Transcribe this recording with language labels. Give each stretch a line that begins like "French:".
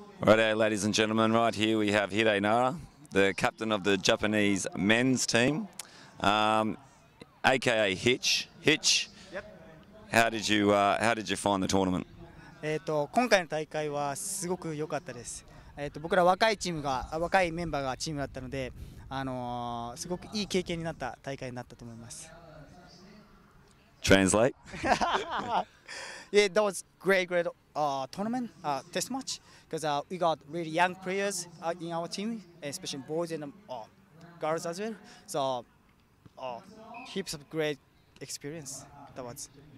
English: Righto, ladies and gentlemen, right here we have Hide Nara, the captain of the Japanese men's team, aka Hitch. Hitch, yep. How did you find the tournament?
Japanese: 今回の大会はすごく良かったです。僕ら若いチームが若いメンバーがチームだったので、すごくいい経験になった大会になったと思います。
English: Translate. Yeah, that was great tournament, test match, because we got really young players in our team, especially boys and girls as well. So, heaps of great experience. That was.